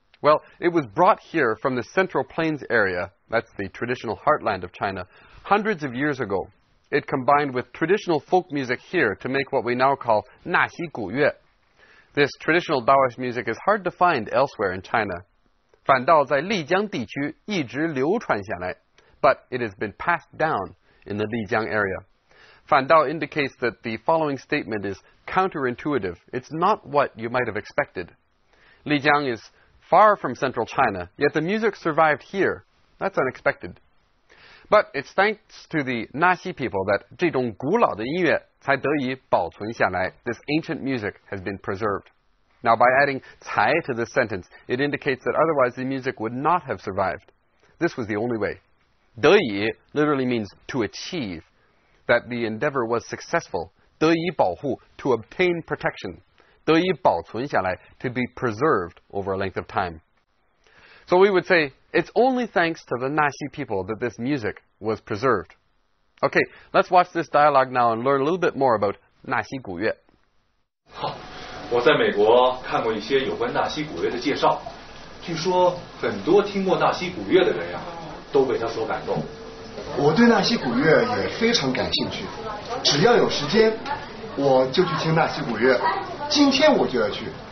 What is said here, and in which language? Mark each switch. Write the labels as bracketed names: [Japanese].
[English] Well, it was brought here from the Central Plains area, that's the traditional heartland of China, hundreds of years ago. It combined with traditional folk music here to make what we now call 纳西古乐. This traditional Taoist music is hard to find elsewhere in China. [Chinese] 反倒在丽江地区一直流传下来. [English] But it has been passed down in the Lijiang area. Fan Dao indicates that the following statement is counterintuitive. It's not what you might have expected. Lijiang is far from central China, yet the music survived here. That's unexpected. But it's thanks to the Naxi people that [Chinese] 这种古老的音乐才得以保存下来。 [English] This ancient music has been preserved. Now, by adding 才 to this sentence, it indicates that otherwise the music would not have survived. This was the only way. 得以 literally means to achieve, that the endeavor was successful. [Chinese] 得以保护 [English] to obtain protection. [Chinese] 得以保存下来 [English] to be preserved over a length of time. So we would say,It's only thanks to the Naxi people that this music was preserved. Okay, let's watch this dialogue now and learn a little bit more about 纳西古乐。 [Chinese] 好，我在美国看过一些有关纳西古乐的介绍，听说很多听过纳西古乐的人呀，都被他所感动。我对纳西古乐也非常感兴趣，只要有时间，我就去听纳西古乐。今天我就要去。